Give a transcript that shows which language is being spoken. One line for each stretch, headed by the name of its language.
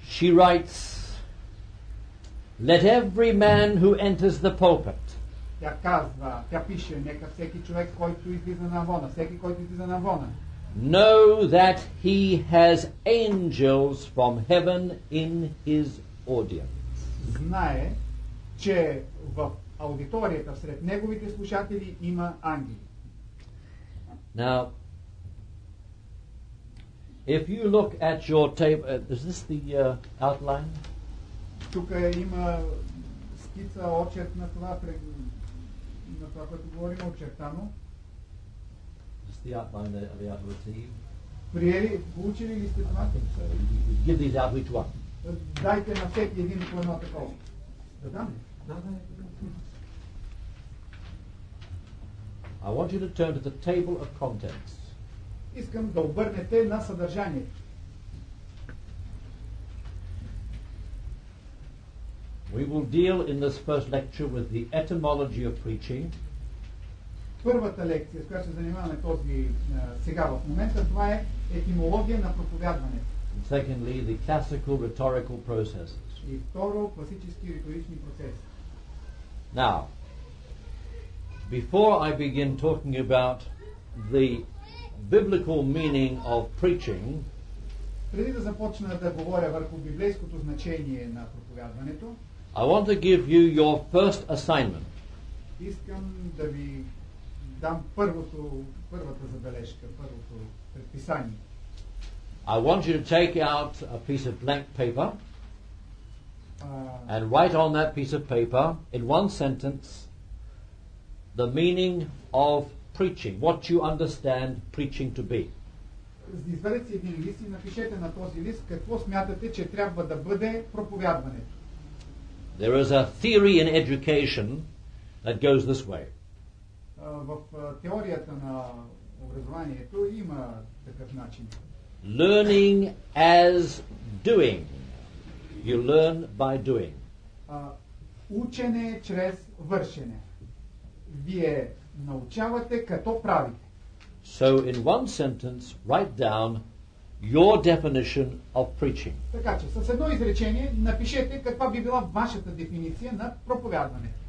English: She writes, let every man who enters the pulpit.
Bulgarian: Тя казва, тя пише, нека всеки човек, който излиза на вона, всеки, който излиза на вона,
English: know that he has angels from heaven in his audience.
Bulgarian: Знае, че в аудиторията сред неговите слушатели има ангели.
English: Now, if you look at your table, is this the outline?
Bulgarian: Тук има скица, очерт на това, на това, което говорим, очертано.
English: Just the outline that we have received.
Bulgarian: Приели, получили ли сте това?
English: I think so. You give these out each one.
Bulgarian: Дайте на всеки един по едно такова. Да, да.
English: Да, I want you to turn to the table of contents.
Bulgarian: Искам да обърнете на съдържание.
English: We will deal in this first lecture with the etymology of preaching.
Bulgarian: Първата лекция, с която се занимаваме този сега в момента, това е етимология на проповядването.
English: And secondly, the classical rhetorical processes.
Bulgarian: И второ, класически риторични процеси.
English: Now, before I begin talking about the biblical meaning of preaching,
Bulgarian: преди да започна да говоря върху библейското значение на проповядването,
English: I want to give you your first assignment.
Bulgarian: Искам да ви дам първото, първата забележка, първото предписание.
English: I want you to take out a piece of blank paper and write on that piece of paper in one sentence the meaning of preaching, what you understand preaching to be.
Bulgarian: Извадете си един лист и напишете на този лист какво смятате, че трябва да бъде проповядването.
English: There is a theory in education that goes this way.
Bulgarian: В теорията на образованието има такъв начин.
English: Learning as doing. You learn by doing.
Bulgarian: Учене чрез вършене. Вие научавате като правите.
English: So in one sentence, write down your definition of preaching.
Bulgarian: Така че, с едно изречение, напишете каква би била вашата дефиниция на проповядване.